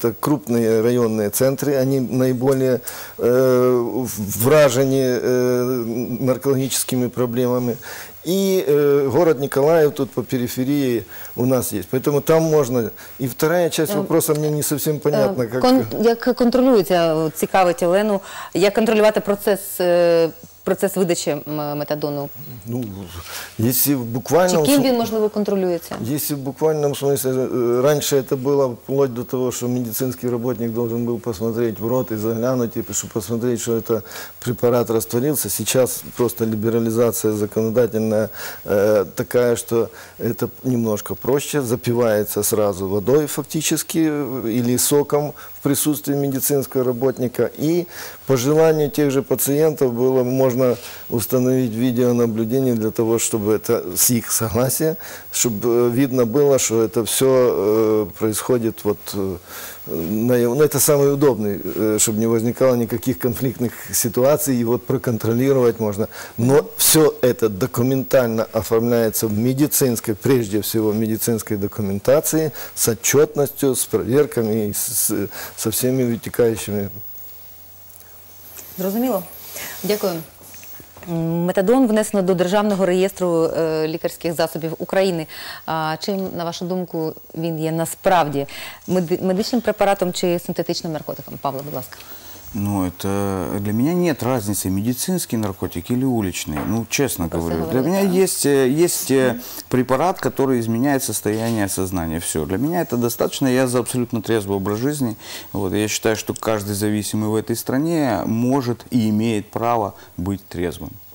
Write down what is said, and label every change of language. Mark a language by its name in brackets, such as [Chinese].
[Russian] Это крупные районные центры, они наиболее вражены наркологическими проблемами. И город Николаев тут по периферии у нас есть. Поэтому там можно. И вторая часть вопроса мне не совсем понятна. [Ukrainian] Как контролюється, цікавить Олену, як контролювати процес видачі метадону? [Russian] Ну, если буквально... [Ukrainian] Чи ким він, можливо, контролюється? [Russian] Если в буквальном смысле, раньше это было вплоть до того, что медицинский работник должен был посмотреть в рот и заглянуть, и чтобы посмотреть, что это препарат растворился. Сейчас просто либерализация законодательная такая, что это немножко проще, запивается сразу водой фактически или соком в присутствии медицинского работника. И по желанию тех же пациентов было можно установить видеонаблюдение для того, чтобы это с их согласия, чтобы видно было, что это все происходит вот на его, ну, это самый удобный, чтобы не возникало никаких конфликтных ситуаций, и вот проконтролировать можно. Но все это документально оформляется в медицинской, прежде всего в медицинской документации, с отчетностью, с проверками, со всеми вытекающими. [Ukrainian] Зрозуміло. Дякую. Метадон внесено до Державного реєстру лікарських засобів України. А чим, на вашу думку, він є насправді? Медичним препаратом чи синтетичним наркотиком? Павло, будь ласка. [Russian] Ну, это для меня нет разницы, медицинский наркотик или уличный. Ну, честно говорю, для меня есть препарат, который изменяет состояние сознания. Все, для меня это достаточно, я за абсолютно трезвый образ жизни. Вот, я считаю, что каждый зависимый в этой стране может и имеет право быть трезвым.